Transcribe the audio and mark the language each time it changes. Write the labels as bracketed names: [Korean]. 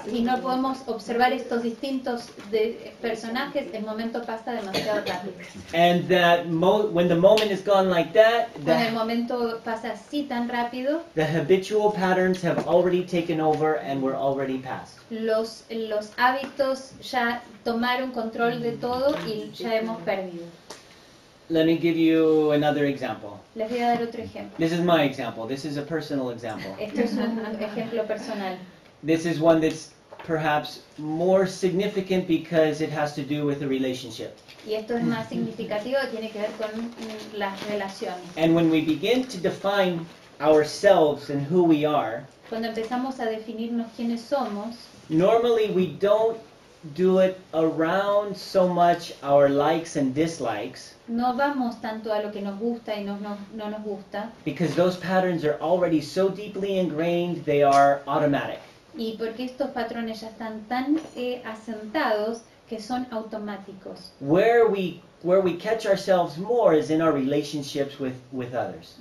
[Spanish] Entonces, si no podemos observar estos distintos personajes, el momento pasa demasiado rápido. [English] And that when the moment is gone like that, [Spanish] cuando el momento pasa así tan rápido, [English] the habitual patterns have already taken over and we're already past. [Spanish] Los hábitos ya tomaron control de todo y ya hemos perdido. [English] Let me give you another example. [Spanish] Les voy a dar otro ejemplo. [English] This is my example. This is a personal example. [Spanish] Esto es un ejemplo personal. [English] This is one that's perhaps more significant because it has to do with a relationship. [Spanish] Y esto es más significativo, tiene que ver con las relaciones. [English] And when we begin to define ourselves and who we are, [Spanish] cuando empezamos a definirnos quiénes somos, [English] normally we don't do it around so much our likes and dislikes. [Spanish] No vamos tanto a lo que nos gusta y no nos gusta. [English] Because those patterns are already so deeply ingrained, they are automatic. [Spanish] Y porque estos patrones ya están tan asentados que son automáticos. [English] Where we catch ourselves more is in our relationships with others.